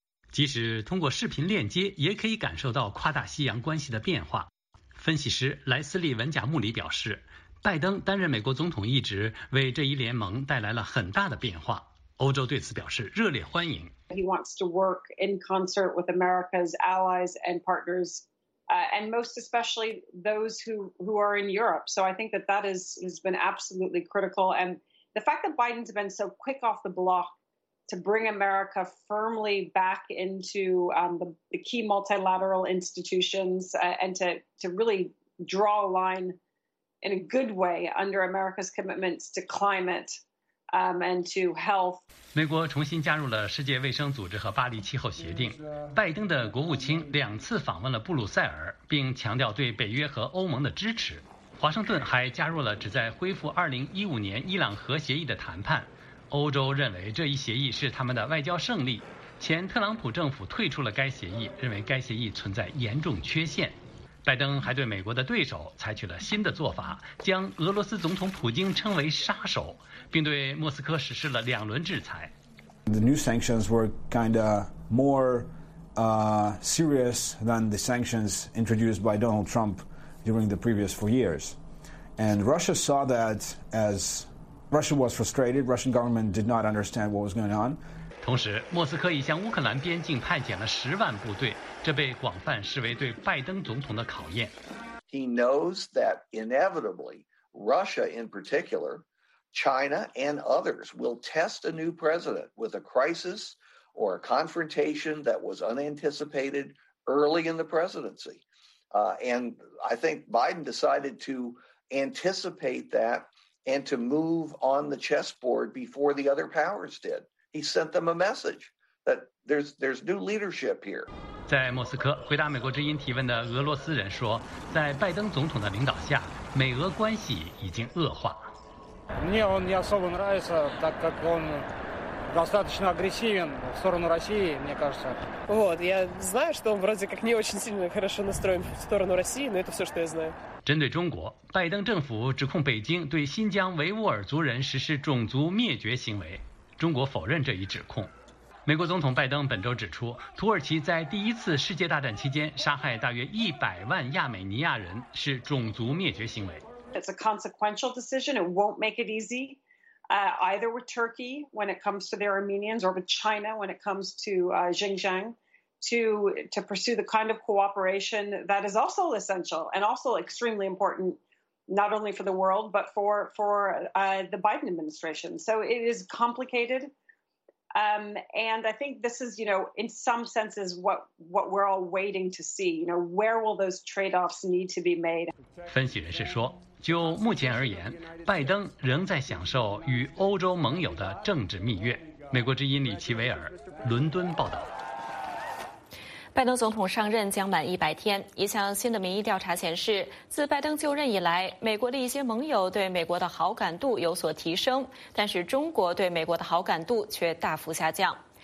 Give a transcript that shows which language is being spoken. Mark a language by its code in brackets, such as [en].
[zh] 即使通过视频链接也可以感受到跨大西洋关系的变化。分析师莱斯利·文贾穆里表示，拜登担任美国总统一职为这一联盟带来了很大的变化，欧洲对此表示热烈欢迎。 [en] He wants to work in concert with America's allies and partners, and most especially those who are in Europe. So I think that has been absolutely critical. And the fact that Biden's been so quick off the block to bring America firmly back into the key multilateral institutions and to really draw a line in a good way under America's commitments to climate. And to health. [zh] 美国重新加入了世界卫生组织和巴黎气候协定。拜登的国务卿两次访问了布鲁塞尔，并强调对北约和欧盟的支持。华盛顿还加入了旨在恢复2015年伊朗核协议的谈判。欧洲认为这一协议是他们的外交胜利。前特朗普政府退出了该协议，认为该协议存在严重缺陷。拜登还对美国的对手采取了新的做法，将俄罗斯总统普京称为杀手，并对莫斯科实施了两轮制裁。 [en] The new sanctions were kind of more serious than the sanctions introduced by Donald Trump during the previous four years. And Russia saw that as Russia was frustrated, Russian government did not understand what was going on. [zh] 同时，莫斯科已向乌克兰边境派遣了10万部队，这被广泛视为对拜登总统的考验。 [en] He knows that inevitably, Russia in particular, China and others will test a new president with a crisis or a confrontation that was unanticipated early in the presidency. And I think Biden decided to anticipate that and to move on the chessboard before the other powers did. He sent them a message that there's new leadership here. [zh] 在莫斯科回答美国之音提问的俄罗斯人说，在拜登总统的领导下，美俄关系已经恶化。 [ru] Мне он не особо нравится, так как он достаточно агрессивен в сторону России, мне кажется. Вот, я знаю, что он вроде как не очень сильно хорошо настроен в сторону России, но это все, что я знаю. [zh] 针对中国，拜登政府指控北京对新疆维吾尔族人实施种族灭绝行为，中国否认这一指控。美国总统拜登本周指出，土耳其在第一次世界大战期间杀害大约100万亚美尼亚人是种族灭绝行为。 [en] It's a consequential decision. It won't make it easy, either with Turkey when it comes to their Armenians or with China when it comes to Xinjiang, to pursue the kind of cooperation that is also essential and also extremely important, not only for the world, but for the Biden administration. So it is complicated. And I think this is, you know, in some senses what we're all waiting to see. You know, where will those trade-offs need to be made? [zh] 分析人士说，就目前而言，拜登仍在享受与欧洲盟友的政治蜜月。美国之音李奇维尔，伦敦报道。拜登总统上任将满100天，一项新的民意调查显示，自拜登就任以来，美国的一些盟友对美国的好感度有所提升，但是中国对美国的好感度却大幅下降。